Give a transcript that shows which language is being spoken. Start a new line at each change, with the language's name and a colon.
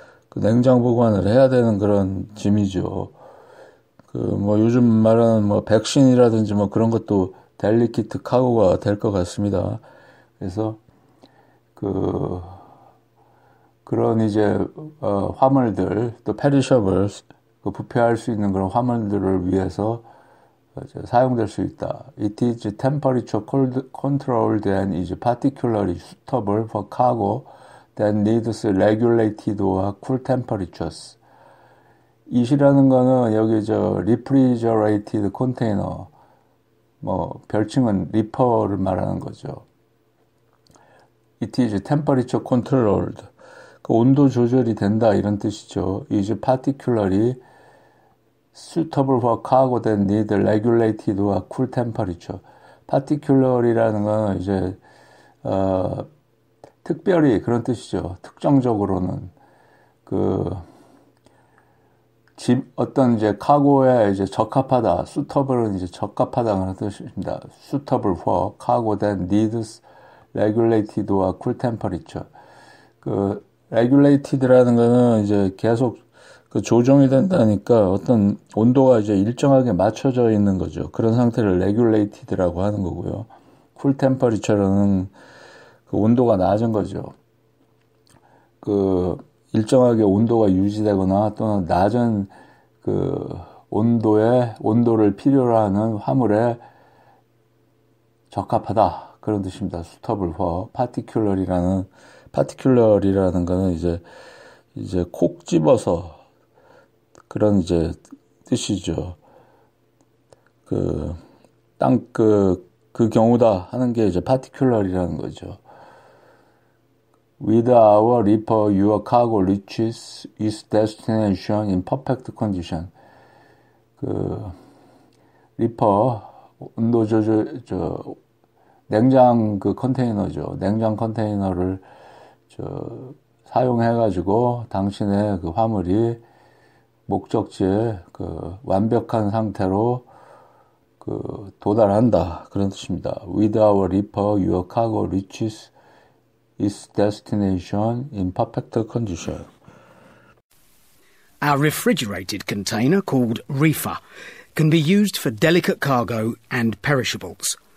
Korean: 그 냉장 보관을 해야 되는 그런 짐이죠. 그 뭐 요즘 말하는 뭐 백신이라든지 뭐 그런 것도 델리키트 카고가 될 것 같습니다. 그래서 그런 이제 화물들 또 페리셔블스 그 부패할 수 있는 그런 화물들을 위해서 이제 사용될 수 있다.
English: It is temperature cold controlled and is particularly suitable for cargo that needs regulated or cool temperatures.
Korean: It이라는 거는 여기 저
English: refrigerated container
Korean: 뭐 별칭은 리퍼를 말하는 거죠.
English: It is temperature controlled.
Korean: 그 온도 조절이 된다 이런 뜻이죠.
English: Is particularly suitable for cargo that needs regulated or cool temperature.
Korean: Particularly라는 거는 이제 특별히 그런 뜻이죠. 특정적으로는 그 집 어떤 이제 카고에 이제 적합하다, 수터블은 이제 적합하다는 뜻입니다.
English: Suitable for cargo that needs regulated or cool temperature.
Korean: 그 regulated라는 거는 이제 계속 그 조정이 된다니까 어떤 온도가 이제 일정하게 맞춰져 있는 거죠. 그런 상태를 regulated라고 하는 거고요.
English: Cool temperature
Korean: 는 그 온도가 낮은 거죠. 그 일정하게 온도가 유지되거나 또는 낮은 그 온도에 온도를 필요로 하는 화물에 적합하다 그런 뜻입니다.
English: Suitable for particularly
Korean: 라는 거는 이제 콕 집어서 그런 이제 뜻이죠. 그 땅 그 경우다 하는 게 이제 particularly라는 거죠.
English: With our reefer, your cargo reaches its destination in perfect condition.
Korean: 그 리퍼 온도 조절 저 냉장 그 컨테이너죠. 냉장 컨테이너를 저 사용해 가지고 당신의 그 화물이 목적지에 그 완벽한 상태로 그 도달한다 그런 뜻입니다.
English: With our reefer, your cargo reaches its destination in perfect condition. Our refrigerated container, called reefer, can be used for delicate cargo and perishables.